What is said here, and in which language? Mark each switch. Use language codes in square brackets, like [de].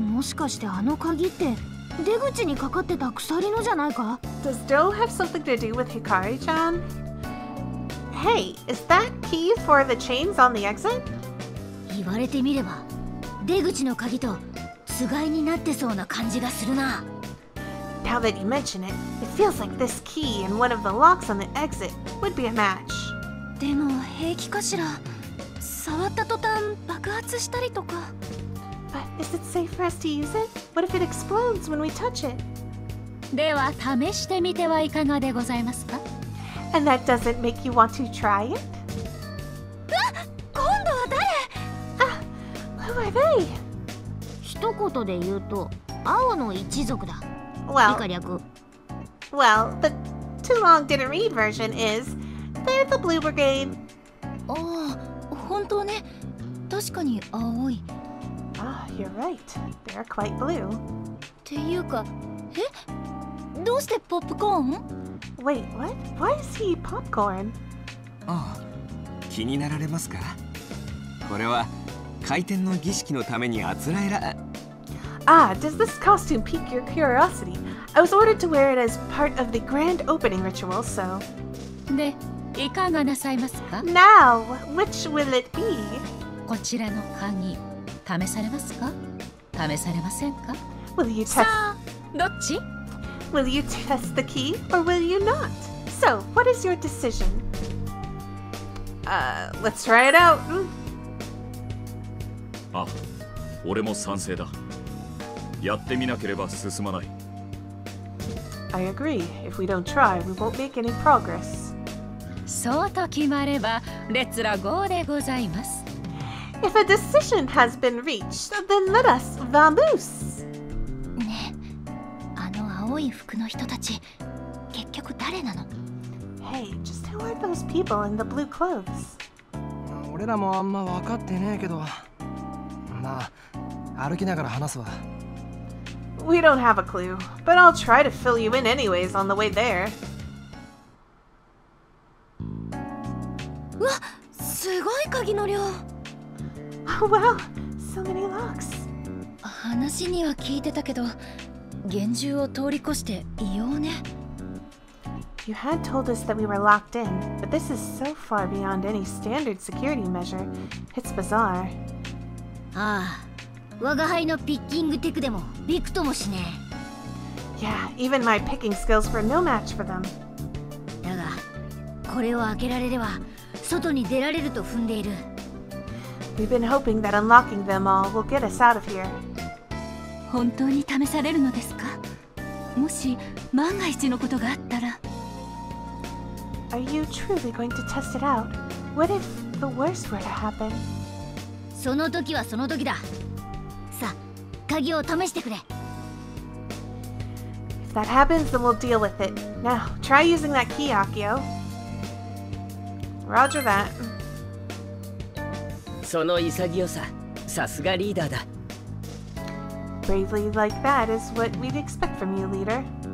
[ja] もしかしてあの鍵って出口にかかってた鎖のじゃないか? [en] Does Dou have something to do with Hikari-chan? Hey, is that key for the chains on the exit? [ja] 言われてみれば出口の鍵とつがいになってそうな感じがするな。 [en] Now that you mention it, it feels like this key and one of the locks on the exit would be a match. [ja] でも平気かしら。触った途端爆発したりとか。 [en] Is it safe for us to use it? What if it explodes when we touch it? [ja] では試してみてはいかがでございますか? [en] And that doesn't make you want to try it? [ja] わっ!今度は誰? [en] Who are they? [ja] 一言で言うと、青の一族だ。 [en] Well, [ja] 以下略。 [en] Well, the too long didn't read version is, they're the Blue Brigade. [ja] Oh, 本当ね。確かに青い。 [en] Ah, you're right. They're quite blue. [ja] ていうか、え? どうしてポップコーン? [en] Wait, what? Why is he popcorn? [ja] Oh, 気になられますか?これは回転の儀式のためにあつらえら… [en] Ah, does this costume pique your curiosity? I was ordered to wear it as part of the grand opening ritual, so… [ja] で、いかがなさいますか? Now, which will it be? こちらの鍵、試されますか? 試されませんか? [en] Will you test… [ja] さあ、どっち? [en] Will you test the key, or will you not? So, what is your decision? Let's try it out! [ja] あ、俺も賛成だ。やってみなければ進まない。 [en] I agree. If we don't try, we won't make any progress. [ja] そうと決まれば、レッツラゴーでございます。 [en] If a decision has been reached, then let us vamoose! [ja] ね、あの青い服の人たち、結局誰なの? [en] Hey, just who are those people in the blue clothes? [ja] 俺らもあんま分かってねえけど…まあ、歩きながら話すわ。 [en] We don't have a clue, but I'll try to fill you in anyways on the way there. [ja] わ、すごい鍵の量。 [en] Wow, so many locks. [ja] 話には聞いてたけど、厳重を通り越して異様ね。 [en] You had told us that we were locked in, but this is so far beyond any standard security measure. It's bizarre. [ja] ああ、我が輩のピッキングテクでもびくともしねえ。 [en] Yeah, even my picking skills were no match for them. [ja] だが、これを開けられれば外に出られると踏んでいる。 [en] We've been hoping that unlocking them all will get us out of here. [ja] 本当に試されるのですか?もし万が一のことがあったら。 [en] Are you truly going to test it out? What if the worst were to happen? [ja] その時はその時だ。さあ、鍵を試してくれ。 [en] If that happens, then we'll deal with it. Now, try using that key, Akio. Roger that. [ja] その潔さ、さすがリーダーだ。 [en] Bravely like that is what we'd expect from you, leader.